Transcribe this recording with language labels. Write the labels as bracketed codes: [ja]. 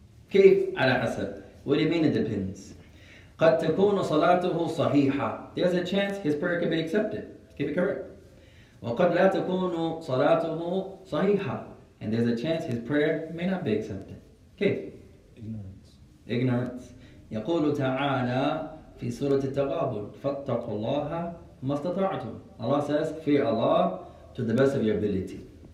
[ar] كيف على حسب? [en] What do you mean it depends? [ar] قد تكون صلاته صحيحة. [en] There's a chance his prayer can be accepted. Can be correct. [ar] وقد لا تكون صلاته صحيحة. [en] And there's a chance his prayer may not be accepted. [ar] كيف? [en] Ignorance. [ar] يقول تعالى في سورة التغابن فاتقوا الله ما استطعتم. [en] Allah says, fear Allah to the best of your ability.